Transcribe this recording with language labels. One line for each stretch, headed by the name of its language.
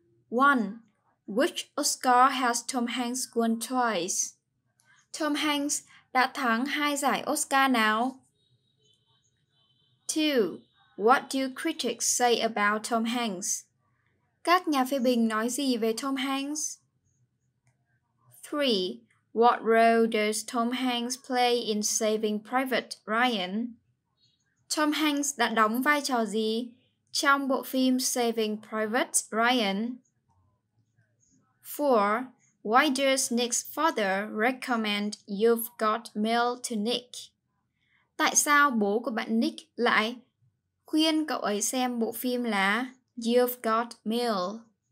English: 1. Which Oscar has Tom Hanks won twice?
Vietnamese: Tom Hanks đã thắng 2 giải Oscar nào?
English: 2. What do critics say about Tom Hanks?
Vietnamese: Các nhà phê bình nói gì về Tom Hanks? 3.
English: What role does Tom Hanks play in Saving Private Ryan?
Vietnamese: Tom Hanks đã đóng vai trò gì trong bộ phim Saving Private Ryan?
English: 4. Why does Nick's father recommend You've Got Mail to Nick?
Vietnamese: Tại sao bố của bạn Nick lại khuyên cậu ấy xem bộ phim là You've Got Mail?